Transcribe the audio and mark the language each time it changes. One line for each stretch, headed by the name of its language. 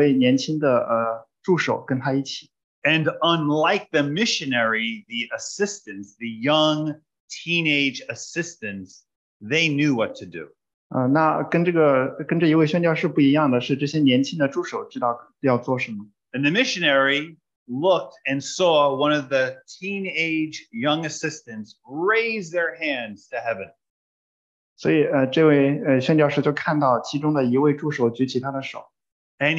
Chinese: 那这一位宣教士有几位年轻的助手跟他一起。
English: And unlike the missionary, the assistants, the young teenage assistants, they knew what to do.
Chinese: 那跟这一位宣教士不一样的是，这些年轻的助手知道要做什么。
English: And the missionary looked and saw one of the teenage young assistants raise their hands to heaven.
Chinese: 所以这位宣教士就看到其中的一位助手举起他的手。
English: And